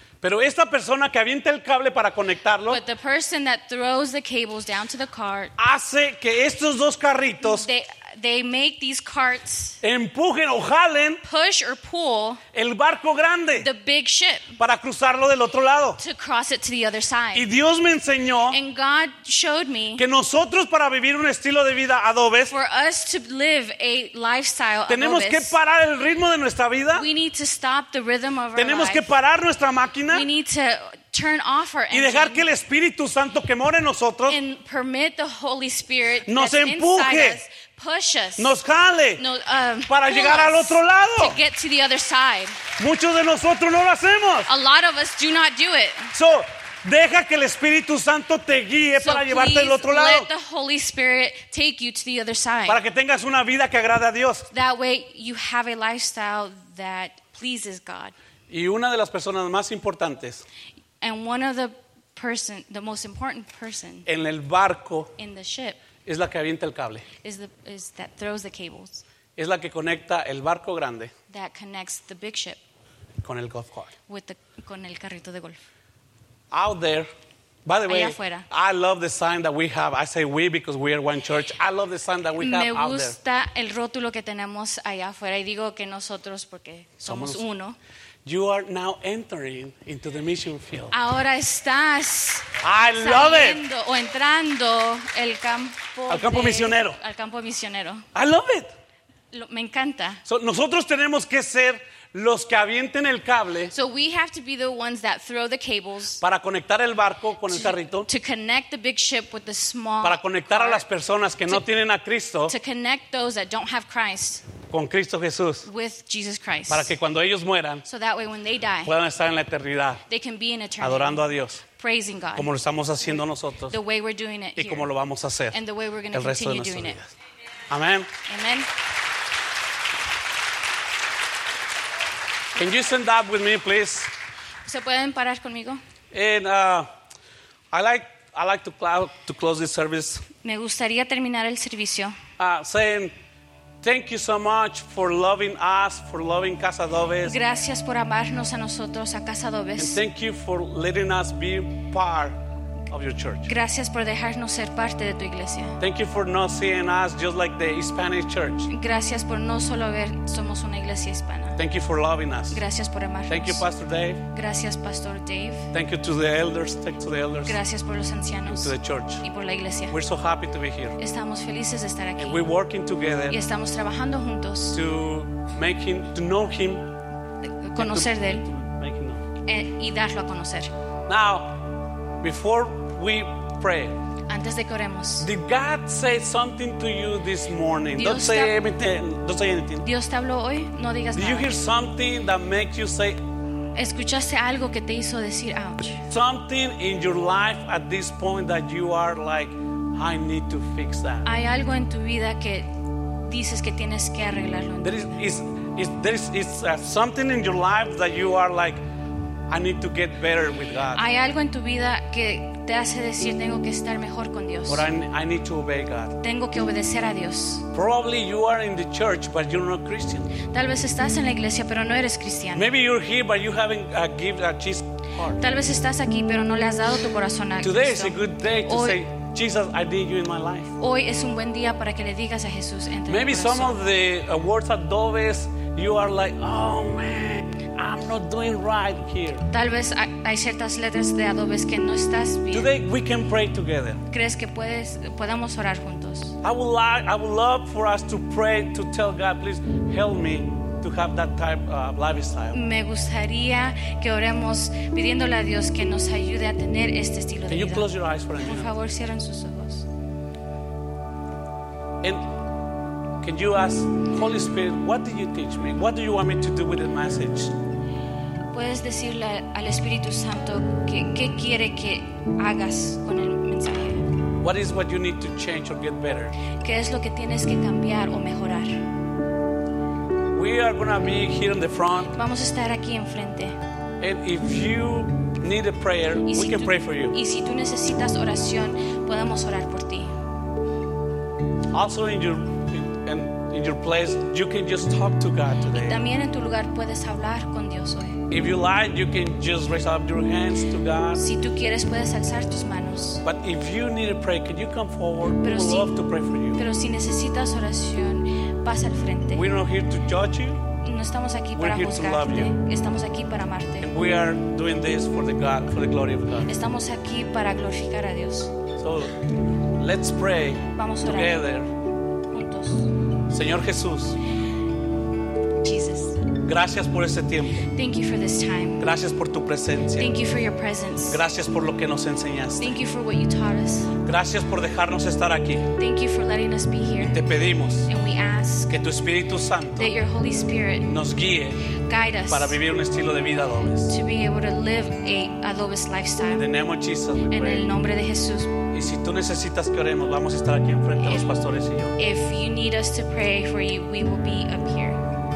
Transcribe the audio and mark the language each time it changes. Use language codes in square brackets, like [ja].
[es] Pero esta persona que avienta el cable para conectarlo, [en] but the person that throws the cables down to the cart, [es] hace que estos dos carritos, [en] they make these carts, [es] empujen o jalen, [en] push or pull, [es] el barco grande, [en] the big ship, [es] para cruzarlo del otro lado, [en] to cross it to the other side. [es] Y Dios me enseñó, [en] and God showed me, [es] que nosotros para vivir un estilo de vida adobes, [en] for us to live a lifestyle adobes, [es] tenemos que parar el ritmo de nuestra vida, [en] we need to stop the rhythm of [es] tenemos [en] our life, [es] tenemos que parar nuestra máquina, [en] we need to turn off our engine, [es] y dejar que el Espíritu Santo que mora en nosotros, [en] and permit the Holy Spirit [es] nos empuje, [en] push us, [es] nos jale, no, para llegar al otro lado, [en] to get to the other side. [es] Muchos de nosotros no lo hacemos. [en] A lot of us do not do it. So [es] Deja que el Espíritu Santo te guíe para llevarte al otro lado. [en] Let the Holy Spirit take you to the other side. [es] Para que tengas una vida que agrade a Dios. [en] That way you have a lifestyle that pleases God. [es] Y una de las personas más importantes. [en] And one of the person, the most important person. [es] En el barco. [en] In the ship. [es] Es la que avienta el cable. [en] Is that throws the cables. [es] Es la que conecta el barco grande. [en] That connects the big ship. [es] Con el golf cart. Con el carrito de golf. [en] Out there, by the way, [es] allá afuera. [en] I love the sign that we have. I say we because we are one church. I love the sign that we have out there. [es] Me gusta el rótulo que tenemos allá afuera y digo que nosotros porque somos uno. [en] You are now entering into the mission field. [es] Ahora estás saliendo o entrando el campo al campo misionero. Al campo misionero. [en] I love it. [es] Me encanta. So, nosotros tenemos que ser los que avienten el cable. [en] So we have to be the ones that throw the cables. [es] Para conectar el barco con el carrito. [en] To connect the big ship with the small. [es] Para conectar a las personas que no tienen a Cristo. [en] To connect those that don't have Christ. [es] Con Cristo Jesús. [en] With Jesus Christ. [es] Para que cuando ellos mueran. [en] So that way when they die. [es] Puedan estar en la eternidad. [en] They can be in eternity. [es] Adorando a Dios. [en] Praising God. [es] Como lo estamos haciendo nosotros. [en] The way we're doing it. [es] Y como lo vamos a hacer. [en] And the way we're going to continue doing it. [es] Amen. [en] Amen. Can you stand up with me, please? [es] ¿Se pueden parar conmigo? [en] And I like to close this service. [es] Me gustaría terminar el servicio. [en] Saying thank you so much for loving us, for loving Casa Adobes. [es] Gracias por amarnos a nosotros, a Casa Adobes. [en] And thank you for letting us be part of your church. [es] Gracias por dejarnos ser parte de tu iglesia. [en] Thank you for not seeing us just like the Hispanic church. [es] Gracias por no solo ver somos una iglesia hispana. [en] Thank you for loving us. [es] Gracias por amarnos. [en] Thank you, Pastor Dave. [es] Gracias, Pastor Dave. [en] Thank you to the elders. Thank you to the elders. [es] Gracias por los ancianos. [en] And to the church. [es] Y por la iglesia. [en] We're so happy to be here. [es] Estamos felices de estar aquí. [en] And we're working together. [es] Y estamos trabajando juntos. [en] To make him, to know him. [es] Conocer de él. [en] Make him know. [es] Y darlo a conocer. [en] Now, before we pray, [es] antes de que oremos, [en] did God say something to you this morning? [es] Dios [en] don't say anything. Don't say anything. [es] Dios te habló hoy. No digas [en] did Did you hear something that makes you say? [es] Escuchaste algo que te hizo decir ouch. [en] Something in your life at this point that you are like, I need to fix that. [es] Hay algo en tu vida que dices que tienes que arreglarlo. [en] There is something in your life that you are like, I need to get better with God. [es] Hay algo en tu vida que te hace decir tengo que estar mejor con Dios. [en] But I need to obey God. [es] Tengo que obedecer a Dios. [en] Probably you are in the church, but you're not Christian. [es] Tal vez estás en la iglesia, pero no eres cristiano. [en] Maybe you're here, but you haven't given a Jesus heart. [es] Tal vez estás aquí, pero no le has dado tu corazón a Cristo. [en] Today is a good day to say, Jesus, I need you in my life. [es] Hoy es un buen día para que le digas a Jesús entre. [en] Maybe some of the words at Dobes, you are like, oh man. I'm not doing right here. [es] Tal vez hay ciertas letras de adobes que no estás bien. [en] Today we can pray together. [es] ¿Crees que podamos orar juntos? [en] I would love for us to pray to tell God, please help me to have that type of lifestyle. [es] Me gustaría que oremos pidiéndole a Dios que nos ayude a tener este estilo de vida. [en] Can you close your eyes for a minute? [es] Por favor, cierren sus ojos. [en] And can you ask Holy Spirit, what did you teach me? What do you want me to do with the message? [es] Puedes decirle al Espíritu Santo qué quiere que hagas con el mensaje. [en] What is what you need to change or get better? [es] ¿Qué es lo que tienes que cambiar o mejorar? [en] We are going to be here in the front. [es] Vamos a estar aquí enfrente. [en] And if you need a prayer, we can pray for you. [es] Y si tú necesitas oración, podemos orar por ti. [en] Also in your place, you can just talk to God today. [es] Y también en tu lugar puedes hablar con Dios hoy. [en] If you like, you can just raise up your hands to God. [es] Si tú quieres, puedes alzar tus manos. [en] But if you need a prayer, can you come forward? [es] Pero si, [en] love to pray for you. [es] Pero si necesitas oración, pasa al frente. [en] We're not here to judge you. [es] No estamos aquí para [en] juzgarte. We're here to love you. [es] Estamos aquí para amarte. [en] And we are doing this for the God, for the glory of God. [es] Estamos aquí para glorificar a Dios. [en] So let's pray. [es] Vamos a [en] together. [es] Orar juntos. Señor Jesús. [en] Jesus. [es] Gracias por este tiempo. [en] Thank you for this time. [es] Gracias por tu presencia. [en] Thank you for your presence. [es] Gracias por lo que nos enseñaste. [en] Thank you for what you taught us. [es] Gracias por dejarnos estar aquí. [en] Thank you for letting us be here. [es] Y te pedimos, [en] and we ask, [es] que tu Espíritu Santo, [en] that your Holy Spirit, [es] nos guíe, [en] guide us, [es] para vivir un estilo de vida adobes, [en] to be able to live a adobes lifestyle. [es] En el nombre de Jesús. En el nombre de Jesús. Y si tú necesitas que oremos, vamos a estar aquí enfrente, los pastores y yo. [en] If you need us to pray for you, we will be up here.